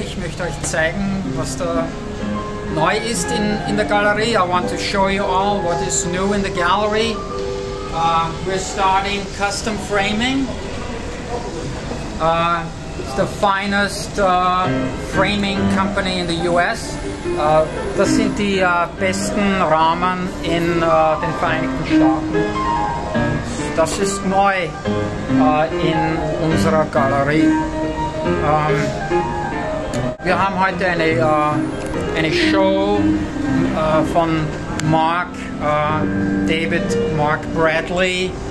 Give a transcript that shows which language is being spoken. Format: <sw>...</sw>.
<de>Ich möchte euch zeigen, was da neu ist in der Galerie.</de> <en>I want to show you all what is new in the gallery. We're starting custom framing. It's the finest framing company in the US.</en> <de>Das sind die besten Rahmen in den Vereinigten Staaten. Das ist neu in unserer Galerie. Wir haben heute eine Show von Mark, David Mark Bradley.</de>